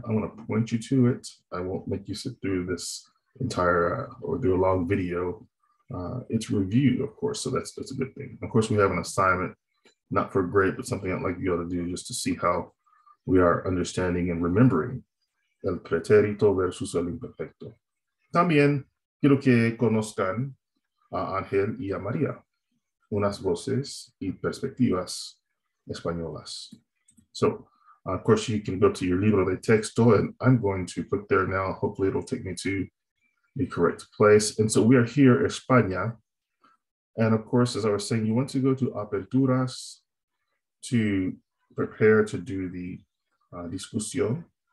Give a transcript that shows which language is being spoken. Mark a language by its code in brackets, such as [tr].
[en] I'm going to point you to it. I won't make you sit through this entire or do a long video. It's reviewed, of course, so that's a good thing. Of course, we have an assignment, not for grade, but something I'd like you all to do just to see how we are understanding and remembering el pretérito versus el imperfecto. [es] También quiero que conozcan a Ángel y a María, unas voces y perspectivas españolas. [en] So, of course, you can go to your libro de texto, and I'm going to click there now. Hopefully, it'll take me to the correct place. And so, we are here, España. And of course, as I was saying, you want to go to aperturas to prepare to do the discusión.